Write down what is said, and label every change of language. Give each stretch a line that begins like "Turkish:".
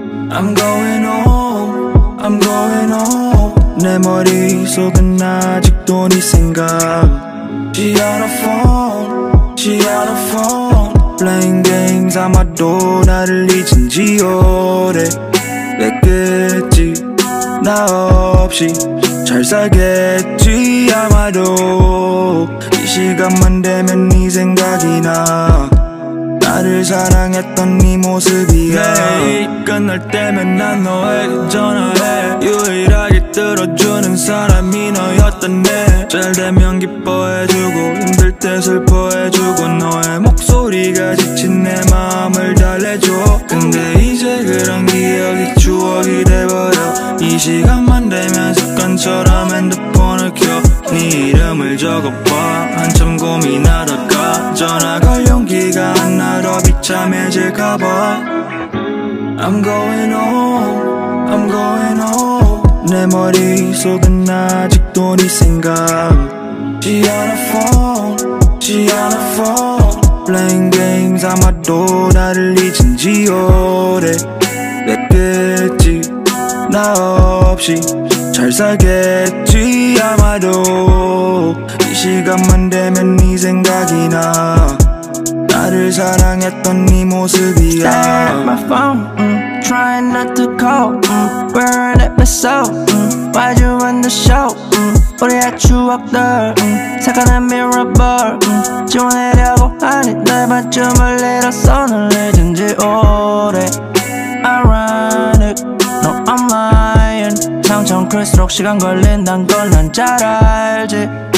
English: I'm going home, I'm going home.
Korean: 내 머릿속은 아직도 네 생각.
English: She on a phone, she on a phone. Playing games
Korean: 아마도 나를 잊은지 오래 됐겠지. 나 없이 잘 살겠지 아마도. 이 시간만 되면 네 생각이 나. 나를 사랑했던 네 모습이야. 내일 끝날 때면 난 너에게 전화해. 유일하게 들어주는 사람이 너였던데. 잘 되면 기뻐해주고 힘들 때 슬퍼해주고 너의 목소리가 지친 내 마음을 달래줘. 근데 이제 그런 기억이 추억이 돼버려. 이 시간만 되면 습관처럼 핸드폰을 켜. 네 이름을 적어봐. 한참 고민하다가 전화 걸 용기가 안 나. 더 비참해질까봐.
English: I'm going home, I'm going home.
Korean: 내 머릿속은 아직도 네 생각.
English: She on a phone, she on a phone. Playing games
Korean: 아마도 나를 잊은지 오래 됐겠지. 나 없이 잘 살겠지 아마도. 이 시간만 되면 네 생각이 나. 나를 사랑했던 네 모습이야.
English: Staring at my phone, trying not to call, wearing it myself, why'd you run the show,
Korean: 우리의 추억들, 사건은 mirrorball, 지워내려고 하니 널 반쯤 흘리러서 널 잊은지 오래.
English: Ironic, no I'm lying.
Korean: 점점 클수록 시간 걸린단 걸 난 잘 알지.